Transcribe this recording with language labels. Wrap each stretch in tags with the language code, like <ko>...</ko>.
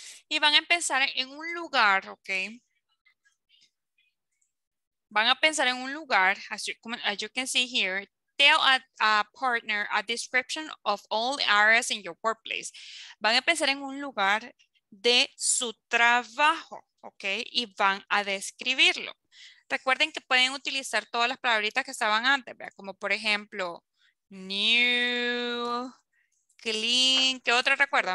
<es>Y van a empezar en un lugar, ¿ok? Van a pensar en un lugar.</es> <en>As you can see here, tell a partner a description of all the areas in your workplace.</en> <es>Van a pensar en un lugar de su trabajo, ¿ok? Y van a describirlo. Recuerden que pueden utilizar todas las palabritas que estaban antes, ¿verdad? Como por ejemplo, new, clean, ¿qué otra recuerda?</es>